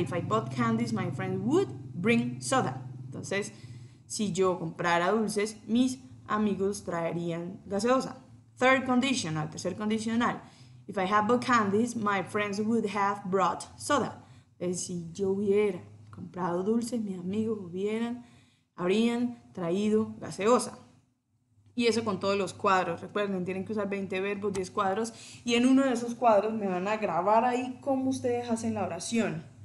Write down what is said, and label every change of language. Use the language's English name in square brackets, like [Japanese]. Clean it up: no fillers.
[English] If I bought candies, my friends would bring soda. [Spanish] Entonces, si yo comprara dulces, mis amigos traerían gaseosa. [English] Third conditional, [Spanish] tercer condicional. [English] If I had bought candies, my friends would have brought soda. [Spanish] Entonces, si yo hubiera comprado dulces, mis amigos habrían traído gaseosa. Y eso con todos los cuadros. Recuerden, tienen que usar 20 verbos, 10 cuadros. Y en uno de esos cuadros me van a grabar ahí cómo ustedes hacen la oración.